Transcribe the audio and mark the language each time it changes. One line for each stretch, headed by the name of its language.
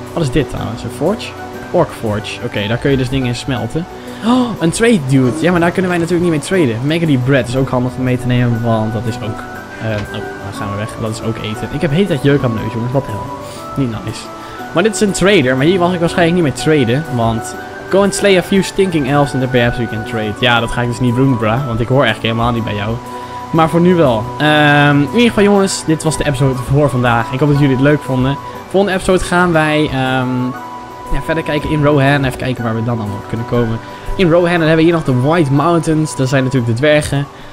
Dutch: Wat is dit trouwens? Een forge? Ork forge. Oké, daar kun je dus dingen in smelten. Oh, een trade dude. Ja, maar daar kunnen wij natuurlijk niet mee traden. Megali bread is ook handig om mee te nemen, want dat is ook... dan gaan we weg. Dat is ook eten. Ik heb heet dat jeuk aan mijn neus, jongens. Wat de hel. Niet nice. Maar dit is een trader, maar hier mag ik waarschijnlijk niet mee traden.
English: Want go and slay a few stinking elves and then perhaps we can trade.
Dutch: Ja, dat ga ik dus niet doen, bruh. Want ik hoor echt helemaal niet bij jou. Maar voor nu wel. In ieder geval jongens, dit was de episode voor vandaag. Ik hoop dat jullie het leuk vonden. Volgende episode gaan wij verder kijken in Rohan. Even kijken waar we dan allemaal op kunnen komen. In Rohan hebben we hier nog de White Mountains. Dat zijn natuurlijk de dwergen.